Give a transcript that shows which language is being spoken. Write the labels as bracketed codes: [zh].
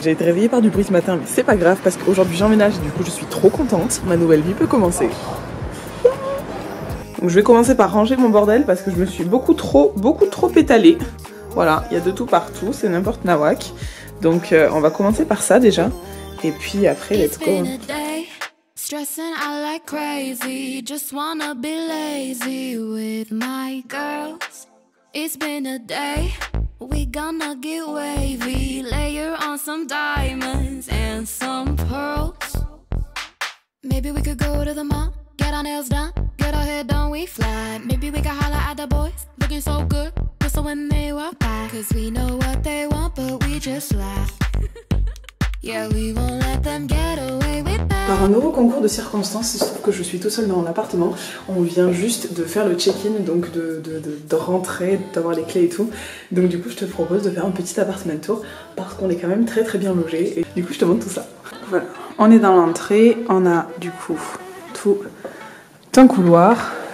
[fr] J'ai été réveillée par du bruit ce matin, mais c'est pas grave parce qu'aujourd'hui j'emménage et du coup je suis trop contente. Ma nouvelle vie peut commencer. Donc je vais commencer par ranger mon bordel parce que je me suis beaucoup trop étalée. Voilà, il y a de tout partout, c'est n'importe nawak. Donc on va commencer par ça déjà. Et puis après, [en] let's go. Stressing out like crazy, just wanna be lazy with my girls. It's been a day, we gonna get wavy, layer on some diamonds and some pearls. Maybe we could go to the mall, get our nails done, get our hair done, we fly. Maybe we could holler at the boys, looking so good, cause when they walk by. Cause we know what they want, but we just laugh. Yeah, we won't let them get away with. [fr] Par un nouveau concours de circonstances, il se trouve que je suis tout seule dans l'appartement. On vient juste de faire le check-in, donc de rentrer, d'avoir les clés et tout. Donc du coup, je te propose de faire un petit appartement tour parce qu'on est quand même très très bien logé. Et du coup, je te montre tout ça. Voilà, on est dans l'entrée. On a du coup tout un couloir.